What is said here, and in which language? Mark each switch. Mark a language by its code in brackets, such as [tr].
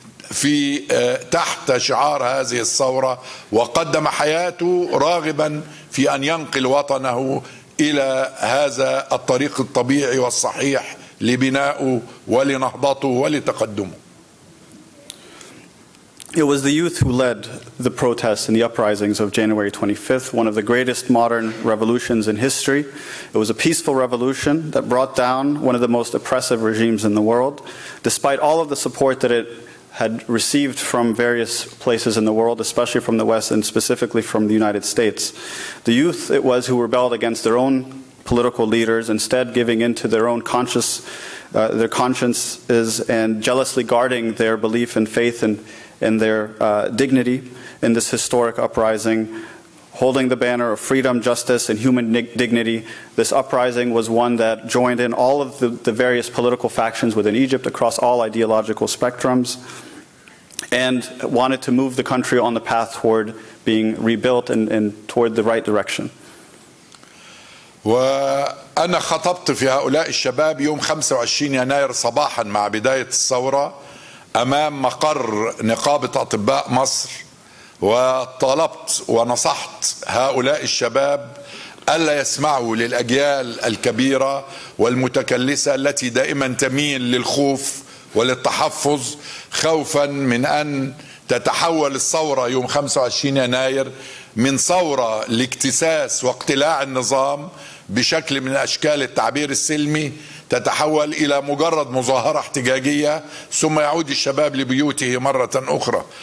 [ar] في تحت شعار هذه الثورة، وقدم حياته راغبا في أن ينقل وطنه إلى هذا الطريق الطبيعي والصحيح لبنائه ولنهضته ولتقدمه. [en] It was the youth who led the protests and the uprisings of January 25th, one of the greatest modern revolutions in history. It was a peaceful revolution that brought down one of the most oppressive regimes in the world. Despite all of the support that it had received from various places in the world, especially from the West and specifically from the United States, the youth it was who rebelled against their own political leaders, instead giving in to their own consciences and jealously guarding their belief and faith and their dignity in this historic uprising, holding the banner of freedom, justice, and human dignity. This uprising was one that joined in all of the various political factions within Egypt across all ideological spectrums, and wanted to move the country on the path toward being rebuilt and toward the right direction. [ar] وأنا خطبت في هؤلاء الشباب يوم 25 يناير صباحا مع بداية الثورة أمام مقر نقابة أطباء مصر، وطلبت ونصحت هؤلاء الشباب ألا يسمعوا للأجيال الكبيرة والمتكلسة التي دائما تميل للخوف وللتحفظ، خوفا من أن تتحول الثورة يوم 25 يناير من ثورة لاجتساس واقتلاع النظام بشكل من أشكال التعبير السلمي، تتحول إلى مجرد مظاهرة احتجاجية ثم يعود الشباب لبيوته مرة أخرى.